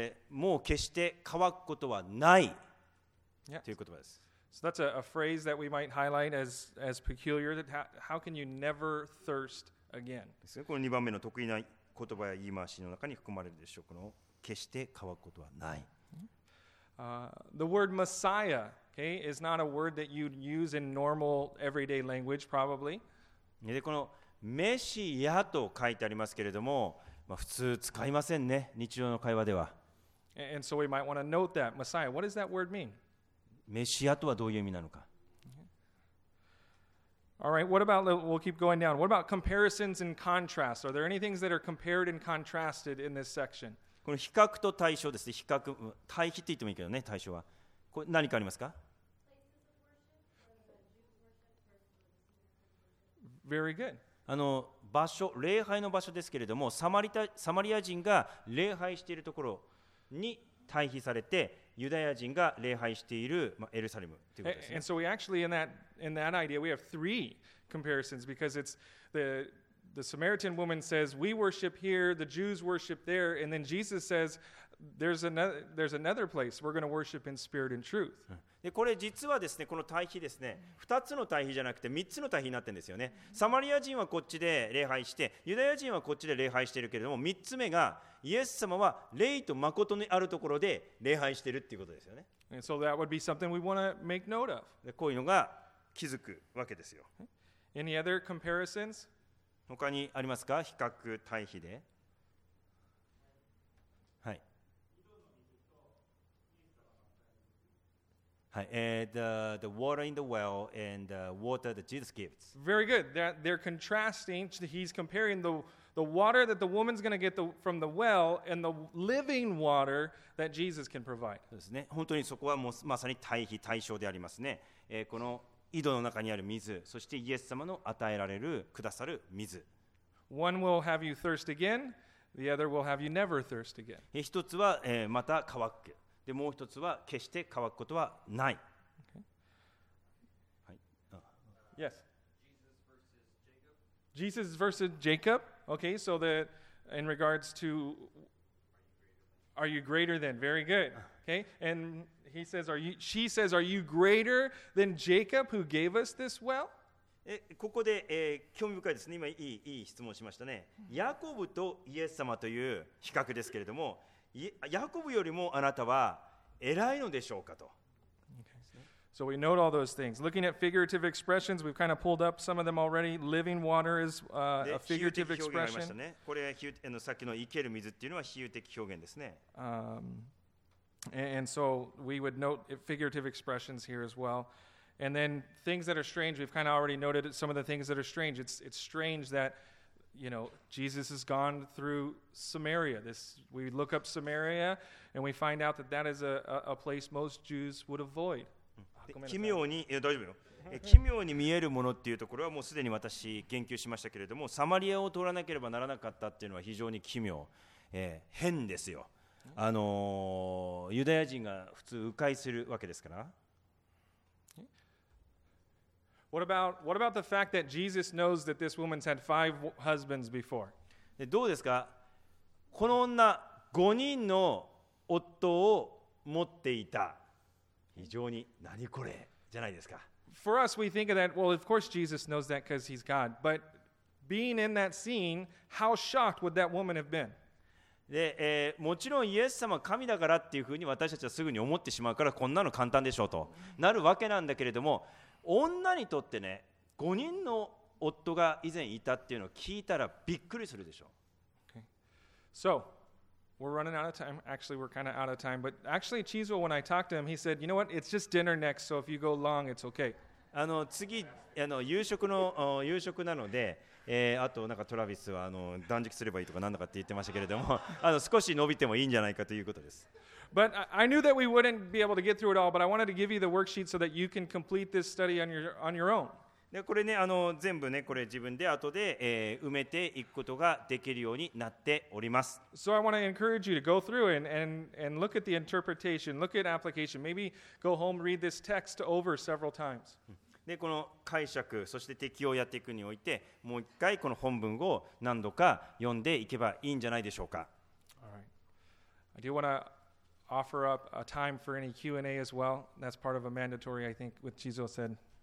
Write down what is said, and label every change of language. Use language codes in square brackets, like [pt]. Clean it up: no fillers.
[ja] もう決して乾くことはない、 [en] yes. [ja] という言葉です。 [en] So that's a phrase that we might highlight as peculiar. That how can you never thirst again? [ja] この2番目の得意な言葉や言い回しの中に含まれるでしょう。この決して乾くことはない。 [en] The word Messiah, okay, is not a word that you'd use in normal everyday language, probably. [ja] でこのメシヤと書いてありますけれども。まあ、普通使いませんね、日常の会話では。 [en] And so we might want to note that Messiah. What does that word mean? [ja] メシアとはどういう意味なのか。 [en] Okay. All right. What about we'll keep going down. What about comparisons and contrasts? Are there any things that are compared and contrasted in this section? [ja] この比較と対象ですね。比較、対比って言ってもいいけどね、対象は。これ何かありますか？ [en] Very good. [ja] 場所、礼拝の場所ですけれども、サマリア人が礼拝しているところに対比されて、ユダヤ人が礼拝している、まあ、エルサレムということですね。 [en] And so we actually in that idea we have three comparisons because it's the Samaritan woman says we worship here, the Jews worship there, and then Jesus says there's another place we're going to worship in spirit and truth. [ja] でこれ実はですね、この対比ですね、2つの対比じゃなくて3つの対比になってるんですよね。サマリア人はこっちで礼拝して、ユダヤ人はこっちで礼拝しているけれども、3つ目がイエス様は霊と誠にあるところで礼拝しているっていうことですよね。 [en] And so that would be something we want to make note of. [ja] でこういうのが気づくわけですよ。 [en] Any other comparisons? [ja] 他にありますか、比較対比で。 [en] The water in the well and the water that Jesus gives. Very good. They're contrasting. He's comparing the water that the woman's going to get from the well and the living water that Jesus can provide. [ja] そうですね。本当にそこはもうまさに対比対照でありますね。この井戸の中にある水、そしてイエス様の与えられるくださる水。 [en] One will have you thirst again. The other will have you never thirst again. [ja] 一つは、また乾く。でもう一つは決して乾くことはない。 [en] Okay. はい。Yes. Jesus versus Jacob. Okay. So that in regards to, Are you greater than? Very good. Okay. And he says, are you, she says, are you greater than Jacob who gave us this well? [ja] ここで、興味深いですね。今いい質問しましたね。ヤコブとイエス様という比較ですけれども、ヤコブよりもあなたは偉いのでしょうかと。 [en] So we note all those things. Looking at figurative expressions, we've kind of pulled up some of them already. Living water is a figurative expression. これはさっきの生ける水っていうのは比喩的表現ですね。 And so we would note figurative expressions here as well. And then things that are strange, we've kind of already noted some of the things that are strange. It's strange that, you know, Jesus has gone through Samaria. This, we look up Samaria and we find out that that is a place most Jews would avoid. [ja] 奇妙に、大丈夫よ。奇妙に見えるものっていうところはもうすでに私言及しましたけれども、サマリアを通らなければならなかったっていうのは非常に奇妙、変ですよ。ユダヤ人が普通迂回するわけですから。 What about the fact that Jesus knows that this woman's had five husbands before? どうですか？この女、五人の夫を持っていた。非常に何これじゃないですか [en] ？For us, we think of that. Well, of course, Jesus knows that because he's God. But being in that scene, how shocked would that woman have been? [ja] で、もちろんイエス様は神だからっていうふうに私たちはすぐに思ってしまうからこんなの簡単でしょうとなるわけなんだけれども。女にとってね、5人の夫が以前いたっていうのを聞いたらびっくりするでしょう。 [en] So, we're running out of time. Actually, we're kind of out of time. But actually, Chizuo, when I talked to him, he said, you know what? It's just dinner next. So if you go long, it's okay. [ja] 次、夕食なので、あとなんかトラビスは断食すればいいとかなんだかって言ってましたけれども、少し伸びてもいいんじゃないかということです。 [en] But I knew that we wouldn't be able to get through it all, but I wanted to give you the worksheet so that you can complete this study on your own. [ja] で、これね、全部ね、これ自分で後で、埋めていくことができるようになっております。 [en] So I want to encourage you to go through and look at the interpretation, look at application, maybe go home, read this text over several times. [ja] で、この解釈、そして適用をやっていくにおいて、もう一回この本文を何度か読んでいけばいいんじゃないでしょうか。 [en] All right. I do want toOffer up a time for any Q&A as well. That's part of a mandatory, I think, what Chizuo said.